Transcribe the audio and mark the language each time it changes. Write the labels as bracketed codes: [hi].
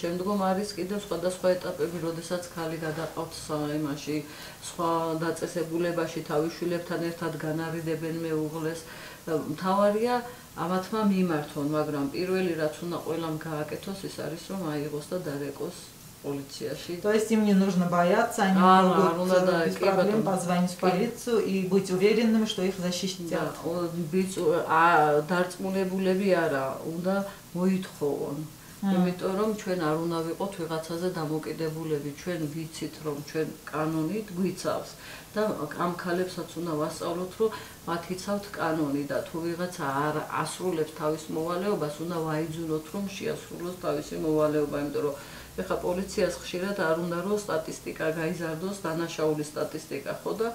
[ka] შემდგომ არის კიდევ სხვადასხვა ეტაპები, როდესაც ქალი გადაყავს იმაში, სხვა დაწესებულებაში თავიშვილებთან ერთად განარიდებენ მეუღლეს. მთავარია ამათმა მიმართონ, მაგრამ პირველი რაც უნდა ყველამ გააკეთოს, ის არის რომ აიღოს და დარეკოს полициаში. [ru] То есть им не нужно бояться, они могут без проблем позвонить в полицию и быть уверенными, что их защитят. [ka] Да, დარწმუნებულები არა, უნდა მოითხოვონ. Потому რომ ჩვენ არ უნდა ვიყოთ ვიღაცაზე დამოკიდებულები, ჩვენ ვიცით რომ ჩვენ კანონით გვიცავს და ამ ქალებსაც უნდა ვასწავლოთ რომ მათ იცავთ კანონი და თუ ვიღაცა არ ასრულებს თავის მოვალეობას, უნდა ვაიძულოთ რომ შეასრულოს თავისი მოვალეობა, იმიტომ რომ ეხა პოლიციას ხშირად არ უნდა რომ სტატისტიკა გაიზარდოს, დანაშაულის სტატისტიკა, ხო?